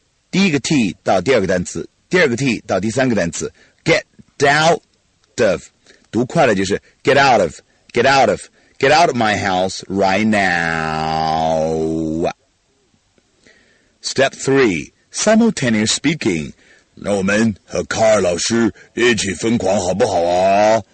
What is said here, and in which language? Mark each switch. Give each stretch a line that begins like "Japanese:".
Chinese: 第一个 T 到第二个单词, 第二个 T 到第三个单词,
English: get out of.
Chinese: 读快了就是
English: get out of, get out of. Get out of my house right now. Step 3. Simultaneous speaking.
Chinese: 那我们和卡尔老师一起疯狂好不好啊?